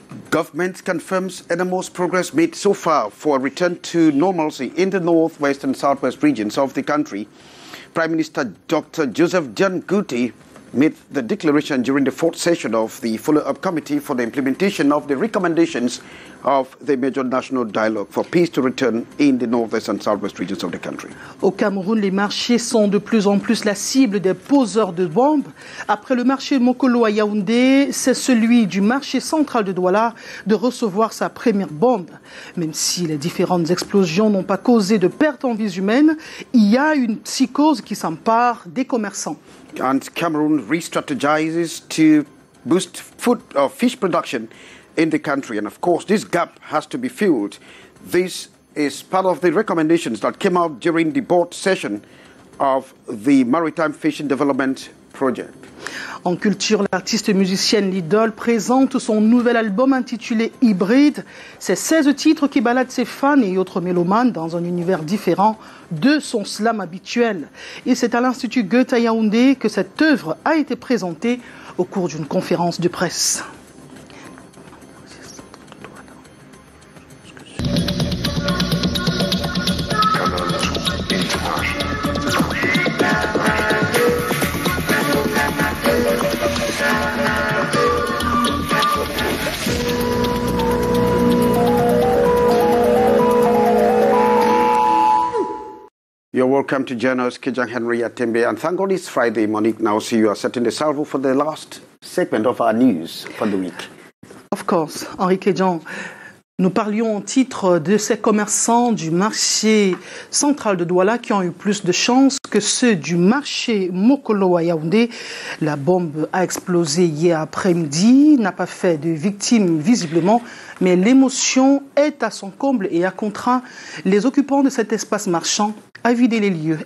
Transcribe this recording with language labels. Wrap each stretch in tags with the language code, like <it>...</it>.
<en>Government confirms NMO's progress made so far for a return to normalcy in the northwest and southwest regions of the country. Prime Minister Dr. Joseph Dangote made the declaration during the fourth session of the follow-up committee for the implementation of the recommendations of the major national dialogue for peace to return in the northwest and southwest regions of the country.</en> <fr>Au Cameroun, les marchés sont de plus en plus la cible des poseurs de bombes. Après le marché Mokolo à Yaoundé, c'est celui du marché central de Douala de recevoir sa première bombe. Même si les différentes explosions n'ont pas causé de pertes en vies humaines, il y a une psychose qui s'empare des commerçants.</fr> <en>And Cameroun re-strategizes to boost food or fish production in the country, and of course this gap has to be filled. This is part of the recommendations that came out during the board session of the Maritime Fishing Development Project.</en> <fr>En culture, l'artiste musicienne Lidl présente son nouvel album intitulé Hybride. C'est 16 titres qui baladent ses fans et autres mélomanes dans un univers différent de son slam habituel. Et c'est à l'Institut Goethe à Yaoundé que cette œuvre a été présentée au cours d'une conférence de presse.</fr> <en>You're welcome to join us, Kejang Henry Atembe. And thank God it's Friday, Monique. Now, see you are setting the salvo for the last segment of our news for the week. Of course, Henri Kejang.</en> <fr>Nous parlions en titre de ces commerçants du marché central de Douala qui ont eu plus de chance que ceux du marché Mokolo à Yaoundé. La bombe a explosé hier après-midi, n'a pas fait de victimes visiblement, mais l'émotion est à son comble et a contraint les occupants de cet espace marchand à vider les lieux.</fr>